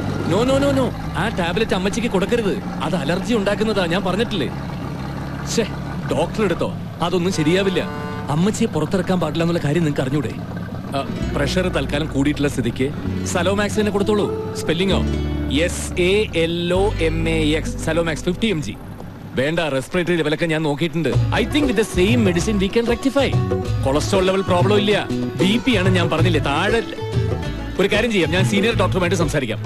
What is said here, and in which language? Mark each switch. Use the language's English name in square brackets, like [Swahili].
[Malayalam] No no no no, ആ tablet അമ്മച്ചിക്ക് കൊടുക്കരുത്, അത് അലർജി ഉണ്ടാക്കുന്നതാ. ഞാൻ പറഞ്ഞിട്ടില്ലേ ഡോക്ടർ എടുത്തോ, അതൊന്നും ശരിയാവില്ല. അമ്മച്ചിയെ പുറത്തിറക്കാൻ പാടില്ല എന്നുള്ള കാര്യം നിങ്ങൾക്ക് അറിഞ്ഞൂടെ? പ്രഷർ തൽക്കാലം കൂടിയിട്ടുള്ള സ്ഥിതിക്ക് സലോമാക്സിനെ കൊടുത്തോളൂ. സ്പെല്ലിങ്ങോ? SALOMAX, സലോമാക്സ് 50 mg. വേണ്ട, റെസ്പിറേറ്ററി ലെവലൊക്കെ ഞാൻ നോക്കിയിട്ടുണ്ട്. [English] I think with the same medicine we can rectify. [Malayalam] Cholesterol level problem ഇല്ല, BP ആണ് ഞാൻ പറഞ്ഞില്ലേ താഴെ. ഒരു കാര്യം ചെയ്യാം, ഞാൻ സീനിയർ ഡോക്ടറുമായിട്ട് സംസാരിക്കാം.